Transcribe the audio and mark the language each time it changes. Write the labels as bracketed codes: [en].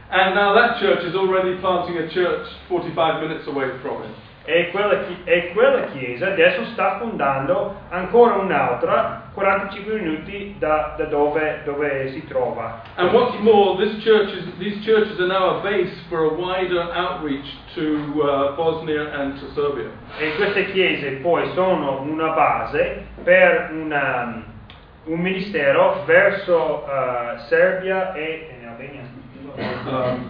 [en] And now that church is already planting a church 45 minutes away from it. [it] E quella chiesa adesso sta fondando ancora un'altra 45 minuti da dove si trova. [en] And what's more, these churches are now a base for a wider outreach to Bosnia and to Serbia. [it] E queste chiese poi sono una base per un ministero verso Serbia e Albania.